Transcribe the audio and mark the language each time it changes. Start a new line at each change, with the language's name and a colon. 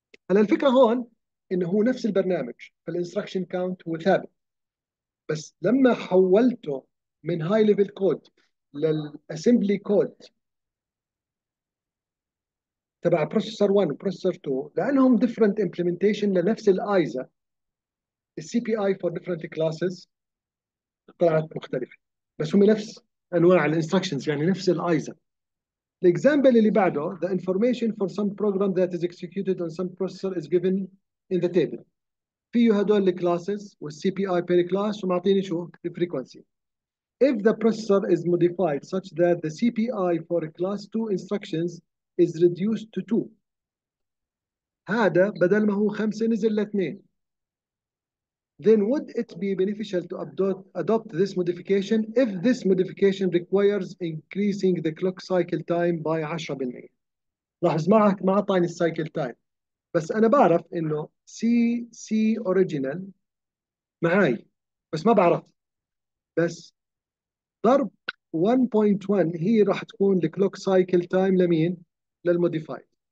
Arabic: هلا الفكره هون انه هو نفس البرنامج، فالانستركشن كاونت هو ثابت، بس لما حولته من هاي ليفل كود للاسمبلي كود تبع بروسيسور 1 وبروسيسور 2، لانهم ديفرنت امبلمنتيشن لنفس الايزا، السي بي اي فور ديفرنت كلاسز طلعت مختلفه، بس هم نفس انواع الانستركشنز، يعني نفس الايزا. الاكزامبل اللي بعده،
English: the information for some program that is executed on some processor is given in the table.
Arabic: فيه هدول الكلاسز والسي بي اي بير كلاس، ومعطيني شو؟ الفريكونسي.
English: If the processor is modified such that the CPI for class 2 instructions is reduced to 2.
Arabic: هذا بدل ما هو 5 نزل ل2.
English: Then would it be beneficial to adopt this modification if this modification requires increasing the clock cycle time by 10%.
Arabic: لاحظ معك ما اعطاني السايكل تايم، بس انا بعرف انه سي سي اوريجينال معي، بس ما بعرف، بس ضرب 1.1 هي راح تكون الكلوك سايكل تايم لمين؟ للموديفايد.